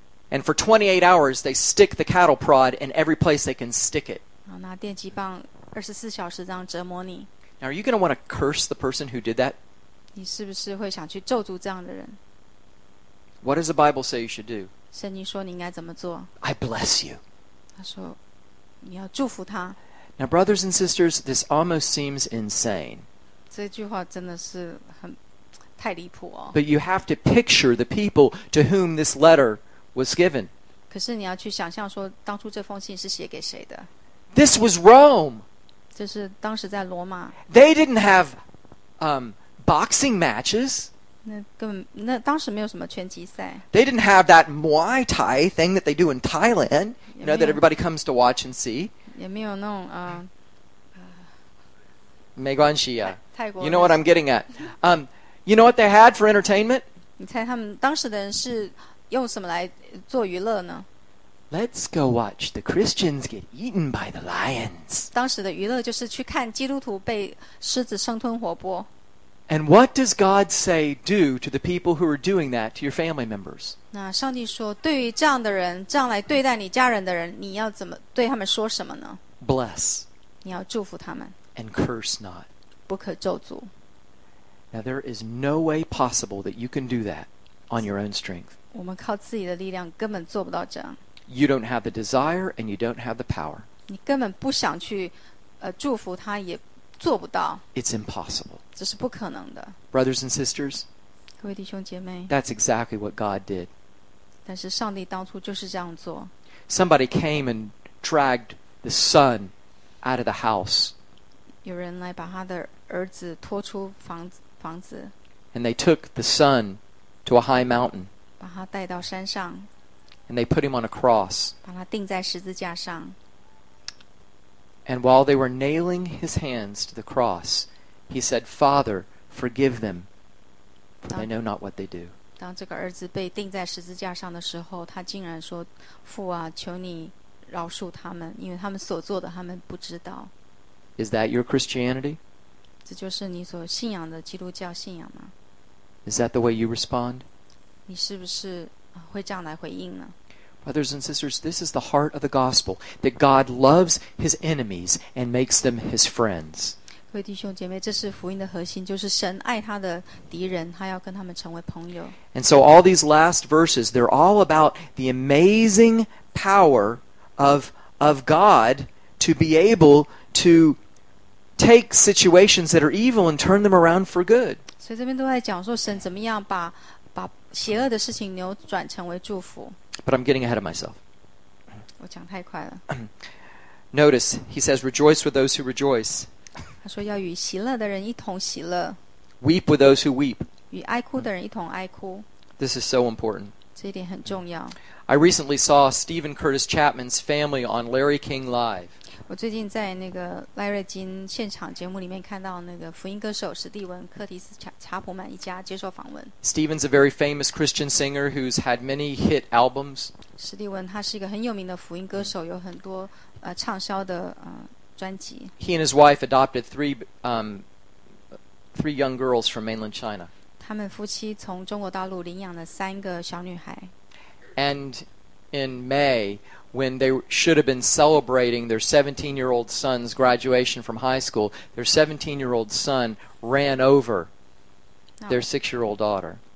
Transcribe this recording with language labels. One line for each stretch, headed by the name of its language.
English: And for 28 hours, they stick the cattle prod in every place they can stick it.
Chinese: 拿电击棒24小时这样折磨你。
English: Now, are you going to want to curse the person who did that?
Chinese: 你是不是会想去咒诅这样的人？
English: What does the Bible say you should do?
Chinese: 圣经说你应该怎么做？
English: I bless you.
Chinese: 他说你要祝福他。
English: Now, brothers and sisters, this almost seems insane.
Chinese: 这句话真的是很太离谱哦。
English: But you have to picture the people to whom this letter... was given.
Chinese: 可是你要去想象说当初这封信是写给谁的。
English: This was Rome.
Chinese: 这是当时在罗马。
English: They didn't have boxing matches.
Chinese: 那当时没有什么拳击赛。
English: They didn't have that Muay Thai thing that they do in Thailand, you know, that everybody comes to watch and see.
Chinese: 也没有那种没关系啊。泰国。
English: You know what I'm getting at. You know what they had for entertainment?
Chinese: 你猜他们当时的人是用什么来做娱乐呢？
English: Let's go watch the Christians get eaten by the lions.
Chinese: 当时的娱乐就是去看基督徒被狮子生吞活剥。
English: And what does God say do to the people who are doing that to your family members?
Chinese: 那上帝说对于这样的人，这样来对待你家人的人，你要怎么对他们说什么呢？
English: Bless.
Chinese: 你要祝福他们。
English: And curse not.
Chinese: 不可咒诅。
English: Now there is no way possible that you can do that on your own strength.
Chinese: 我们靠自己的力量根本做不到这样。
English: You don't have the desire and you don't have the power.
Chinese: 你根本不想去祝福他也做不到。
English: It's impossible.
Chinese: 这是不可能的。
English: Brothers and sisters,
Chinese: 各位弟兄姐妹,
English: that's exactly what God did.
Chinese: 但是上帝当初就是这样做。
English: Somebody came and dragged the son out of the house.
Chinese: 有人来把他的儿子拖出房子。
English: And they took the son to a high mountain.
Chinese: 把他带到山上,
English: and they put him on a cross.
Chinese: 把他钉在十字架上。
English: And while they were nailing his hands to the cross, he said, "Father, forgive them, for they know not what they do."
Chinese: 当这个儿子被钉在十字架上的时候，他竟然说，父啊，求你饶恕他们，因为他们所做的，他们不知道。
English: Is that your Christianity?
Chinese: 这就是你所信仰的基督教信仰吗？
English: Is that the way you respond?
Chinese: 你是不是会这样来回应呢?
English: Brothers and sisters, this is the heart of the gospel, that God loves his enemies and makes them his friends.
Chinese: 各位弟兄姐妹,这是福音的核心,就是神爱他的敌人,他要跟他们成为朋友。
English: And so all these last verses, they're all about the amazing power of God to be able to take situations that are evil and turn them around for good.
Chinese: 所以这边都在讲说神怎么样把邪恶的事情扭转成为祝福。
English: But I'm getting ahead of myself.
Chinese: 我讲太快了。
English: Notice, he says, rejoice with those who rejoice.
Chinese: 他说要与喜乐的人一同喜乐。
English: Weep with those who weep.
Chinese: 与哀哭的人一同哀哭。
English: This is so important.
Chinese: 这一点很重要。
English: I recently saw Stephen Curtis Chapman's family on Larry King Live.
Chinese: 我最近在那个赖瑞金现场节目里面看到那个福音歌手史蒂文·柯蒂斯·查普曼一家接受访问。
English: Stephen's a very famous Christian singer who's had many hit albums.
Chinese: 史蒂文他是一个很有名的福音歌手，有很多畅销的专辑。
English: He and his wife adopted three young girls from mainland China.
Chinese: 他们夫妻从中国大陆领养了三个小女孩。
English: And in May, when they should have been celebrating their 17-year-old son's graduation from high school, their 17-year-old son ran over their 6-year-old daughter.